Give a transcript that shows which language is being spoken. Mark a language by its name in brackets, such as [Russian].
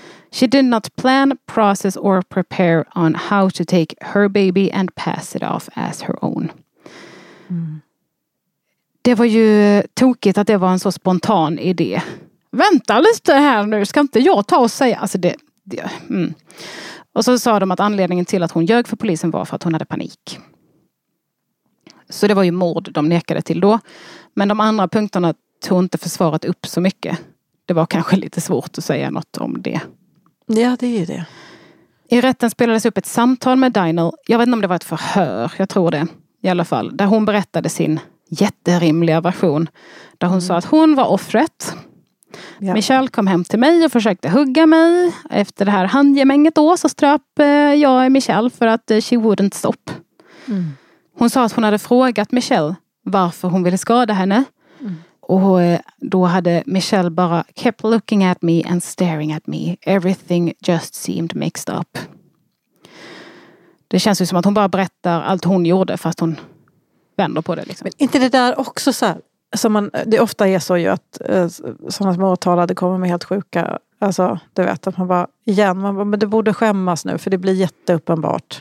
[English] She did not plan, process or prepare on how to take her baby and pass it off as her own. Mm. [Swedish] Det var ju tokigt att det var en så spontan idé. Vänta lite här nu, ska inte jag ta och säga? Alltså det. Mm. Och så sa de att anledningen till att hon ljög för polisen var för att hon hade panik. Så det var ju mord de nekade till då. Men de andra punkterna tog inte försvaret upp så mycket. Det var kanske lite svårt att säga något om det. Ja, det är ju det. I rätten spelades upp ett samtal med Dinell. Jag vet inte om det var ett förhör, jag tror det. I alla fall. Där hon berättade sin jätterimliga version. Där hon sa att hon var offret. Ja. Michelle kom hem till mig och försökte hugga mig. Efter det här handgemänget då så ströp jag och Michelle för att [English] she wouldn't stop. Mm. [Swedish] Hon sa att hon hade frågat Michelle varför hon ville skada henne. Mm. Och då hade Michelle bara [English] kept looking at me and staring at me. Everything just seemed mixed up. [Swedish] Det känns ju som att hon bara berättar allt hon gjorde fast hon vänder på det. Liksom. Men inte det där också så här. Som man, det ofta är så ju att sådana som åtalade kommer med helt sjuka. Alltså du vet att man bara igen. Man bara, men det borde skämmas nu för det blir jätteuppenbart.